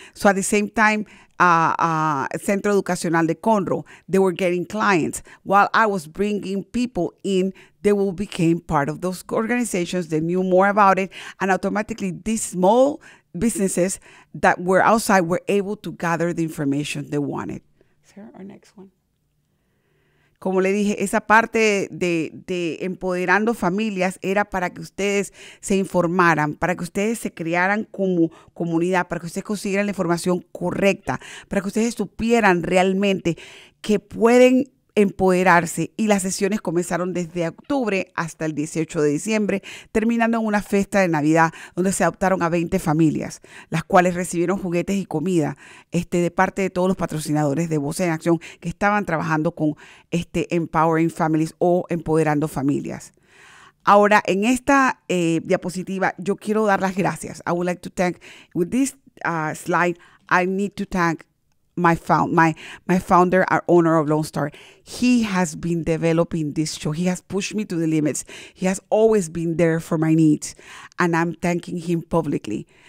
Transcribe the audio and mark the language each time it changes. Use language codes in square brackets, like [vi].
[en] So at the same time, Centro Educacional de Conroe, they were getting clients. While I was bringing people in, they will became part of those organizations. They knew more about it. And automatically, these small businesses that were outside were able to gather the information they wanted. Sarah, our next one. [es] Como le dije, esa parte de empoderando familias era para que ustedes se informaran, para que ustedes se crearan como comunidad, para que ustedes consiguieran la información correcta, para que ustedes supieran realmente que pueden empoderarse. Y las sesiones comenzaron desde octubre hasta el 18 de diciembre, terminando en una fiesta de Navidad donde se adoptaron a 20 familias, las cuales recibieron juguetes y comida de parte de todos los patrocinadores de Voces en Accion que estaban trabajando con Empowering Families o Empoderando Familias. Ahora, en esta diapositiva, yo quiero dar las gracias. [en] I would like to thank, with this slide, I need to thank my founder, our owner of Lone Star. He has been developing this show. He has pushed me to the limits. He has always been there for my needs. And I'm thanking him publicly.